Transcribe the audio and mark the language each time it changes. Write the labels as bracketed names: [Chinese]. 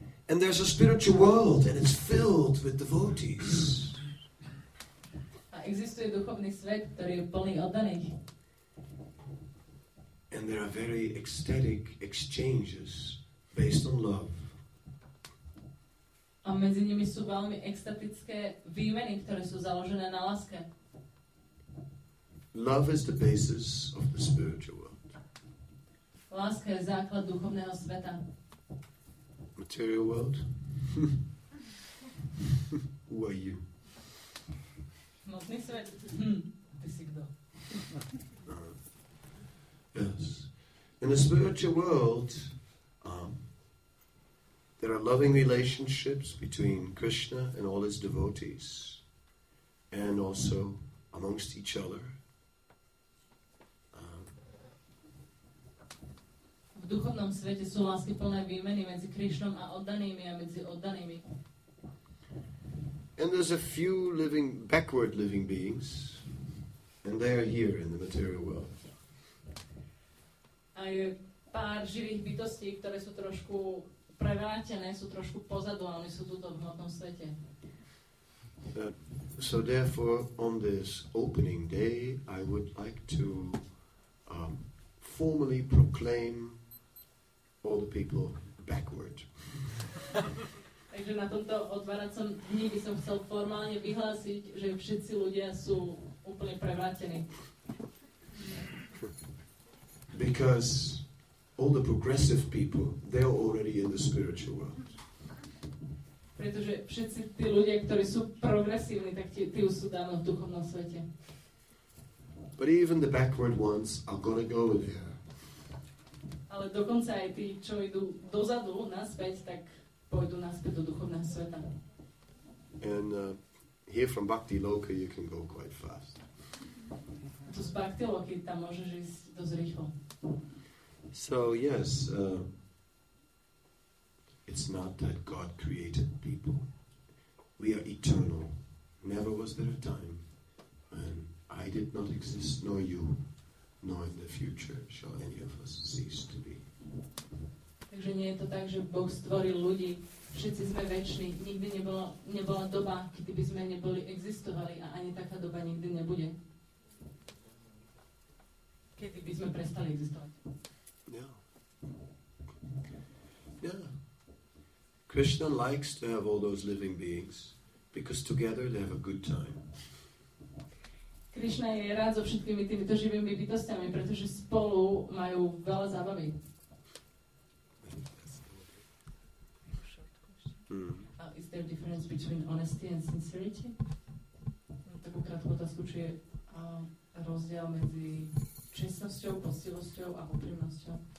[English] And there's a spiritual world and it's filled with devotees. [Slovak] A existuje duchovný svet, ktorý je plný oddaných. [English] And there are very ecstatic exchanges based on love. [Slovak] A medzi nimi sú veľmi extatické výmeny, ktoré sú založené na láske. [English] Love is the basis of the spiritual world. [Slovak] Láska je základ duchovného sveta. [English] Material world? Who are you? [Slovak] Motný svet? Ty si kto? [English] Yes. In the spiritual world, there are loving relationships between Krishna and all his devotees and also amongst each other. [Slovak] V duchovnom svete sú láskyplné výmeny medzi Krishnom a oddanými a medzi oddanými. [English] And there's a few living backward living beings and they are here in the material world. [Slovak] A je pár živých bytostí, ktoré sú trošku prevrátené, sú trošku pozadu, ale sú tu v hmotnom svete. [English] So therefore, on this opening day, I would like to formally proclaim all the people backward. [Slovak] Takže na tomto otváracom dni by som chcel formálne vyhlásiť, že všetci ľudia sú úplne prevrátení. [English] Because all the progressive people, they are already in the spiritual world. [Slovak] Pretože všetci tí ľudia, ktorí sú progresívni, tak tí už sú dávno v duchovnom svete. [English] But even the backward ones are gonna go there. [Slovak] Ale dokonca aj tí, čo idú dozadu, naspäť, tak pôjdu naspäť do duchovného sveta. [English] And here from Bhakti Loka you can go quite fast. [Slovak] Tu z Bhakti Loki tam môžeš ísť dosť rýchlo. [English] So yes, it's not that God created people. We are eternal. Never was there a time when I did not exist, nor you, nor in the future shall any of us cease to be. [Slovak] Takže nie je to tak, že Boh stvoril ľudí. Všetci sme väčší. Nikdy nebola doba, kedy by sme neboli existovali a ani taká doba nikdy nebude. Kedy by sme prestali existovať. [English] Yeah. Krishna likes to have all those living beings because together they have a good time. [Slovak] Krishna je rád so všetkými tými živými bytostiami, pretože spolu majú veľa zábavy. [English] Is there a difference between honesty and sincerity? [Slovak] Takú krátku otázku, či je rozdiel medzi čestnosťou, poctivosťou a úprimnosťou.